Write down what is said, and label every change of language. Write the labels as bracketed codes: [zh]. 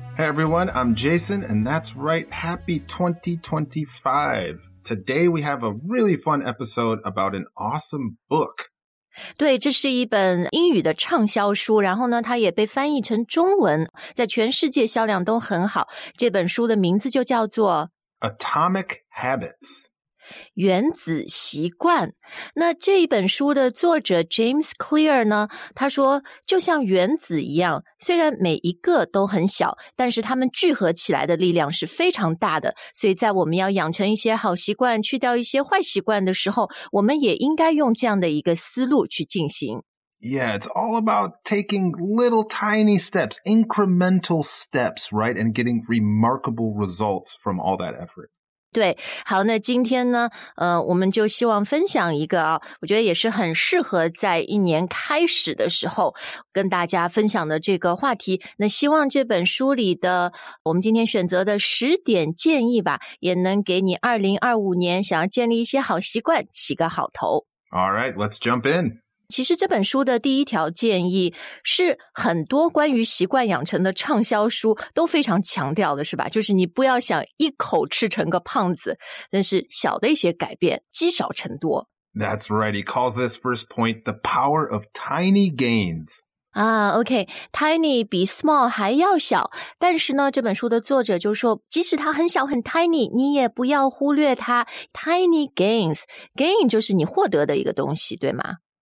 [en] Hey everyone, I'm Jason, and that's right, happy 2025. Today we have a really fun episode about an awesome book. [zh] 对，这是一本英语的畅销书，然后呢，它也被翻译成中文，在全世界销量都很好。这本书的名字就叫做 [en] Atomic Habits， [zh] 原子习惯。那这本书的作者 James Clear 呢，他说，就像原子一样，虽然每一个都很小，但是它们聚合起来的力量是非常大的。所以在我们要养成一些好习惯，去掉一些坏习惯的时候，我们也应该用这样的一个思路去进行。 [en] Yeah, it's all about taking little tiny steps, incremental steps, right? And getting remarkable results from all that effort. [zh] 对，好，那今天呢，我们就希望分享一个啊，我觉得也是很适合在一年开始的时候跟大家分享的这个话题。那希望这本书里的我们今天选择的十点建议吧，也能给你2025年想要建立一些好习惯起个好头。 [en] All right, let's jump in. [zh] 其实这本书的第一条建议是很多关于习惯养成的畅销书都非常强调的，是吧？就是你不要想一口吃成个胖子，但是小的一些改变积少成多。 [en] That's right. He calls this first point the power of tiny gains. [zh] Tiny 比 small 还要小，但是呢，这本书的作者就说，即使它很小很 tiny， 你也不要忽略它。 Tiny gains， gain 就是你获得的一个东西，对吗？